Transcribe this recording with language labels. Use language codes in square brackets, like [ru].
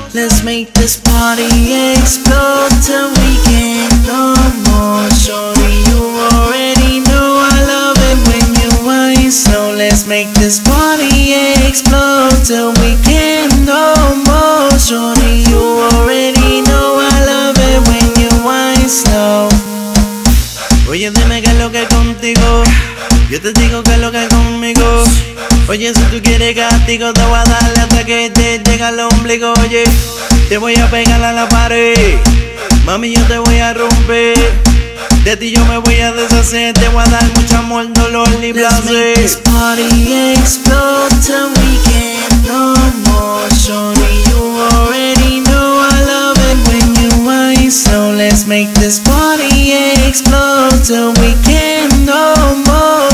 [en] Let's make this party explode till we can't no more. Shorty, you already know I love it when you whine. So let's make this party explode till we can't no more. Shorty, you already know I love it when you whine slow. [es] Oye, dime que lo que contigo. Yo te digo que lo que conmigo. Oye, si tú quieres castigo, te voy a darle hasta que te llegue al ombligo. Oye, te voy a pegar a la pared. Mami, yo te voy a romper. De ti yo me voy a deshacer. Te voy a dar mucho amor, dolor y [en] Let's [es] placer. [en] Let's make this party explode till we can't no more. Shorty, you already know I love it when you whine. So let's make this party explode till we can't no more.